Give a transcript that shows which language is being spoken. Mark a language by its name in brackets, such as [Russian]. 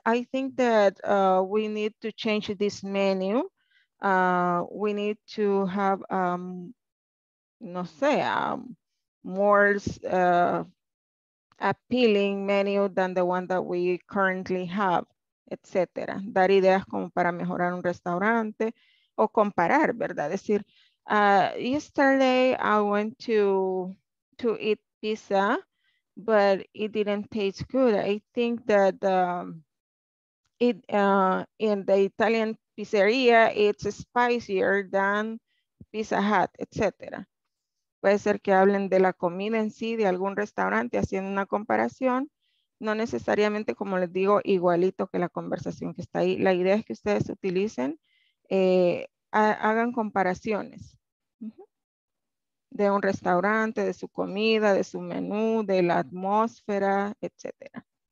[English] I think that we need to change this menu. We need to have, [Spanish] no sé, [English] more appealing menu than the one that we currently have. [Spanish] Etcétera, dar ideas como para mejorar un restaurante o comparar, ¿verdad? [English] Decir, yesterday I went to eat pizza, but it didn't taste good. I think that in the Italian pizzeria, it's spicier than Pizza Hut, etcétera. [Spanish] Puede ser que hablen de la comida en sí, de algún restaurante, haciendo una comparación. No necesariamente, como les digo, igualito que la conversación que está ahí. La idea es que ustedes utilicen, hagan comparaciones de un restaurante, de su comida, de su menú, de la atmósfera, etc.